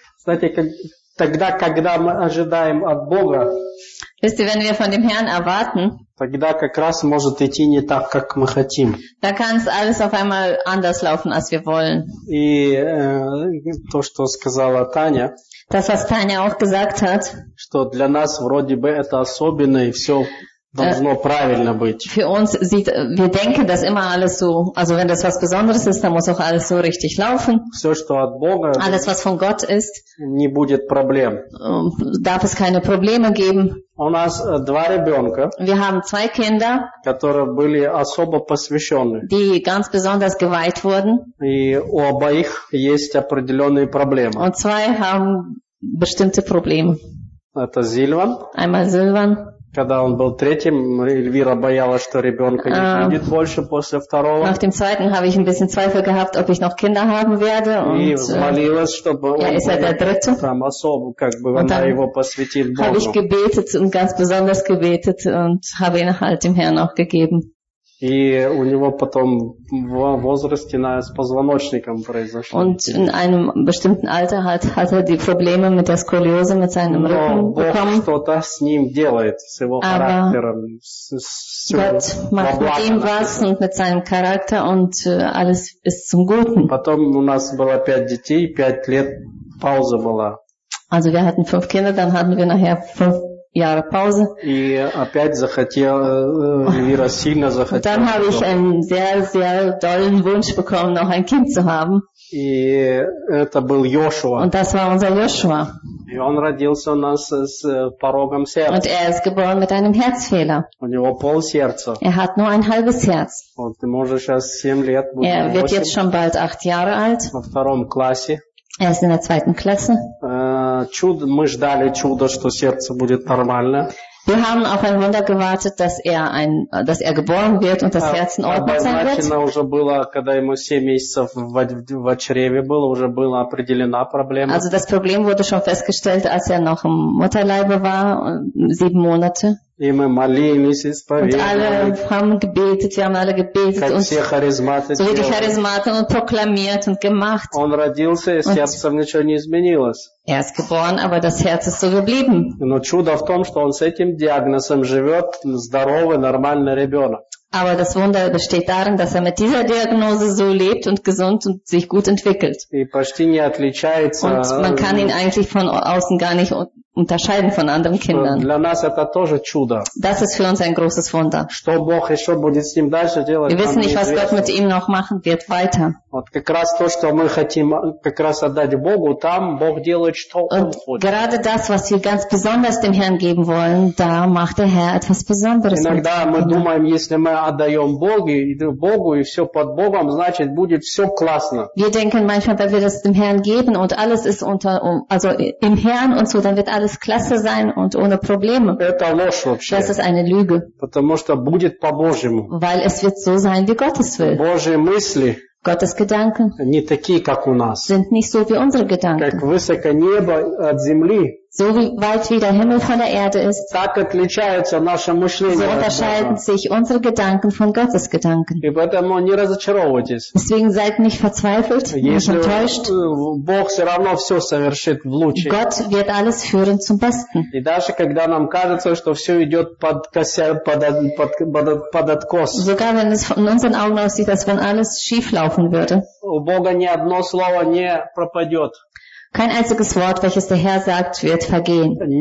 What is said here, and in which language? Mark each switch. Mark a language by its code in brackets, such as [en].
[ru] Знаете, тогда, когда мы ожидаем от Бога, [de] wisst ihr, wenn wir von dem Herrn erwarten, [ru] тогда как раз может идти не так, как мы хотим. [de] Da kann es alles auf einmal anders laufen, als wir wollen. [ru] И то, что сказала Таня, [de] das, was Таня auch gesagt hat, [ru] что для нас вроде бы это особенно и все должно правильно быть. [de] Für uns sieht, wir denken, dass immer alles so, also wenn das was Besonderes ist, dann muss auch alles so richtig laufen. [ru] Все, что от Бога, [de] alles, was von Gott ist, [ru] не будет проблем. [de] Darf es keine Probleme geben. [ru] У нас два ребенка, [de] wir haben zwei Kinder, [ru] которые были особо посвящены, [de] die ganz besonders geweiht wurden. [ru] И у обоих есть определенные проблемы. [de] Und zwei haben bestimmte Probleme. [ru] Это Silvan. [de] Einmal Silvan. [ru] Когда он был третьим, Эльвира боялась, что ребенка не будет больше после второго. [de] Nach dem zweiten habe ich ein bisschen Zweifel gehabt, ob ich noch Kinder haben werde. [ru] И молилась, чтобы он особо, как бы она его посвятит Богу. [de] Habe ich gebetet und ganz besonders gebetet und habe ihn halt dem Herrn auch gegeben. [ru] И у него потом в возрасте с позвоночником произошло. [de] Und in einem bestimmten Alter hat er die Probleme mit der Skoliose, mit seinem Rücken bekommen. [ru] Но Бог что-то с ним делает, с его характером. [de] Gott macht mit ihm was und mit seinem Charakter und alles ist zum Guten. [ru] Потом у нас было 5 детей, 5 лет пауза была. [de] Also wir hatten 5 Kinder, dann hatten wir nachher 5 Jahre Pause. [ru] И опять Вера сильно захотела. [de] Dann habe ich einen sehr, sehr dollen Wunsch bekommen, noch ein Kind zu haben. [ru] И это был Йошуа. [de] Und das war unser Йошуа. [ru] И он родился у нас с порогом сердца. [de] Und ist geboren mit einem Herzfehler. [ru] У него полсердца. [de] Hat nur ein halbes Herz. [ru] Вот ему уже сейчас 7 лет. [de] Wird jetzt schon bald 8 Jahre alt. [ru] Во втором классе. [de] Ist in der zweiten Klasse. [ru] Мы ждали чудо, что сердце будет нормально. [de] Wir haben auf ein Wunder gewartet, dass er geboren wird und das Herz in Ordnung sein wird. [ru] Обозначено уже было, когда ему 7 месяцев в чреве было, уже была определена проблема. [de] Also das Problem wurde schon festgestellt, als er noch im Mutterleibe war, 7 Monate. [ru] И мы молились, исповедовали. [de] Und alle haben gebetet, wir haben alle gebetet. [ru] Как все харизматы делали. [de] So die Charismaten und proklamiert und gemacht. [ru] Он родился, и сердцем ничего не изменилось. [de] Ist geboren, aber das Herz ist so geblieben. [ru] Но чудо в том, что он с этим диагнозом живет, здоровый, нормальный ребенок. [de] Aber das Wunder besteht darin, dass er mit dieser Diagnose so lebt und gesund und sich gut entwickelt. [ru] И почти не отличается. [de] Und man kann ihn eigentlich von außen gar nicht unterscheiden von anderen Kindern. [ru] Для нас это тоже чудо. [de] Das ist für uns ein großes Wunder. [ru] Что Бог еще будет с ним дальше делать? [de] Wir wissen nicht, was Gott mit ihm noch machen wird weiter. [ru] Вот как раз то, что мы хотим как раз отдать Богу, там Бог делает что он хочет. [de] Gerade das, was wir ganz besonders dem Herrn geben wollen, da macht der Herr etwas Besonderes. [ru] Иногда мы думаем, если мы отдаем Богу и все под Богом, значит будет все классно. [de] Wir denken manchmal, wenn wir das dem Herrn geben und alles ist unter, also im Herrn und so, dann wird alles klasse sein und ohne Probleme. [ru] Это ложь вообще. [de] Das ist eine Lüge. [ru] Потому что будет по Божьему. [de] Weil es wird so sein, wie Gott es will. [ru] Божьи мысли. [de] Gottes Gedanken [ru] не такие, как у нас. [de] Sind nicht so wie unsere Gedanken. [ru] Как высоко небо от земли. [de] So weit wie der Himmel von der Erde ist, [ru] так отличается наше мышление. [de] So unterscheiden sich unsere Gedanken von Gottes Gedanken. [ru] И поэтому не разочаровывайтесь. [de] Deswegen seid nicht verzweifelt, nicht enttäuscht. [ru] Бог все равно все совершит в лучшее. [de] Gott wird alles führen zum Besten. [ru] И даже когда нам кажется, что все идет под косяк, под откос. [de] Sogar wenn es von unseren Augen aussieht, dass wenn alles schief laufen würde. [ru] У Бога ни одно слово не пропадет. [de] Kein einziges Wort, welches der Herr sagt, wird vergehen.